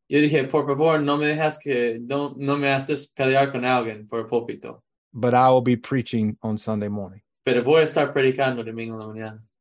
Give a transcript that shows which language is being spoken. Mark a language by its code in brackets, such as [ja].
[es] Yo dije, por favor, no me haces pelear con alguien por el púlpito. [en] But I will be preaching on Sunday morning. [es] Pero voy a estar predicando domingo en la mañana.